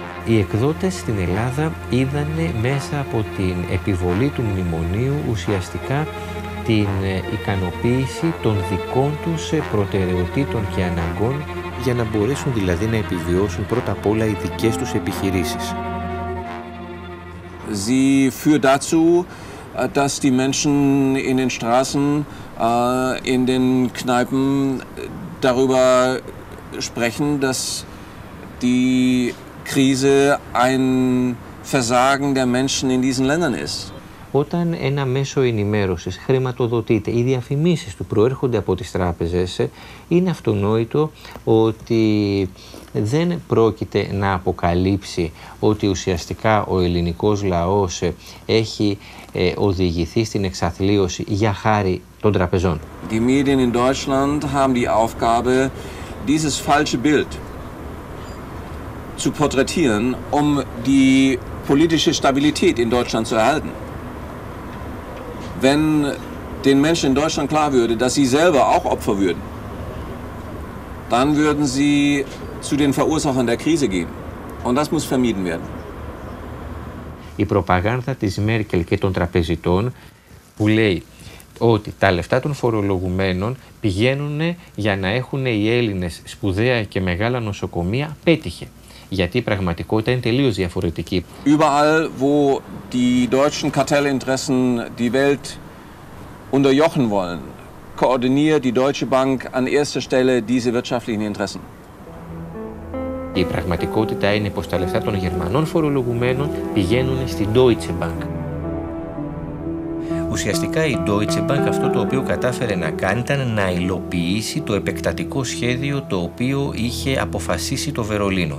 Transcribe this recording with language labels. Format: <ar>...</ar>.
<el>Οι εκδότες στην Ελλάδα είδανε μέσα από την επιβολή του μνημονίου ουσιαστικά την ικανοποίηση των δικών τους προτεραιοτήτων και αναγκών για να μπορέσουν δηλαδή να επιβιώσουν πρώτα απ' όλα οι δικές τους επιχειρήσεις.</el> <de>Sie führt dazu, dass die Menschen in den Straßen, in den Kneipen darüber sprechen, dass die Krise ein Versagen der Menschen in diesen Ländern ist.</de> <el>Όταν ένα μέσο ενημέρωσης χρηματοδοτείται, οι διαφημίσεις του προέρχονται από τις τράπεζες, είναι αυτονόητο ότι δεν πρόκειται να αποκαλύψει ότι ουσιαστικά ο ελληνικός λαός έχει οδηγηθεί στην εξαθλίωση για χάρη των τραπεζών.</el> <de>Die Medien in Deutschland haben die Aufgabe, dieses falsche Bild zu porträtieren, um die politische Stabilität in Deutschland zu erhalten. Wenn den Menschen in Deutschland klar würde, dass sie selber auch Opfer würden, dann würden sie zu den Verursachern der Krise gehen. Und das muss vermieden werden.</de> <el>Η προπαγάνδα της Μέρκελ και των τραπεζιτών που λέει ότι τα λεφτά των φορολογουμένων πηγαίνουν για να έχουν οι Έλληνες σπουδαία και μεγάλα νοσοκομεία, πέτυχε. Γιατί η πραγματικότητα είναι τελείως διαφορετική.</el> <de>Überall, wo die deutschen Kartellinteressen die Welt unterjochen wollen, koordiniert die Deutsche Bank an erster Stelle diese wirtschaftlichen Interessen.</de> <el>Η πραγματικότητα είναι πως τα λεφτά των Γερμανών φορολογουμένων πηγαίνουν στην Deutsche Bank. Ουσιαστικά η Deutsche Bank αυτό το οποίο κατάφερε να κάνει ήταν να υλοποιήσει το επεκτατικό σχέδιο το οποίο είχε αποφασίσει το Βερολίνο.</el>